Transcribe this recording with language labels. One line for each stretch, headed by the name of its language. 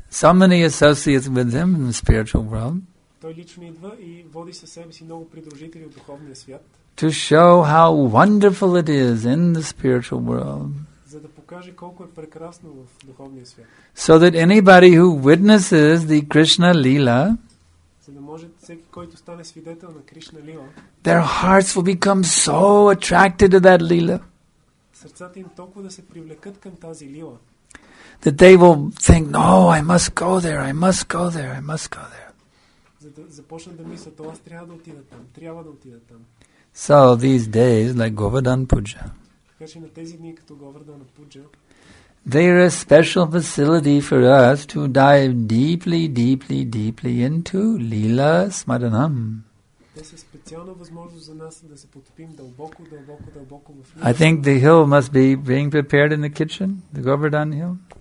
English: So many associates with him in the spiritual world.
Bulgarian: Той лично идва и води със себе си много придружители от духовния свят.
English: To show how wonderful it is in the spiritual world.
Bulgarian: За да покаже колко е прекрасно в духовния свят.
English: So that anybody who witnesses the Krishna Leela,
Bulgarian: за да може всеки, който стане свидетел на Кришна Лила,
English: their hearts will become so attracted to that Leela.
Bulgarian: Сърцата им толкова да се привлекат към тази Лила.
English: That they will think, no, I must go there, I must go there, I must go there.
Bulgarian: Започна да мисля, това трябва да отида там, трябва да отида там.
English: So these days, like Govardhan Puja,
Bulgarian: така че на тези дни като Говардхана Пуджа,
English: they are a special facility for us to dive deeply, deeply, deeply into Lila Smaranam.
Bulgarian: Те са специална възможност за нас да се потопим дълбоко, дълбоко, дълбоко в Лила.
English: I think the hill must be being prepared in the kitchen, the Govardhan Hill.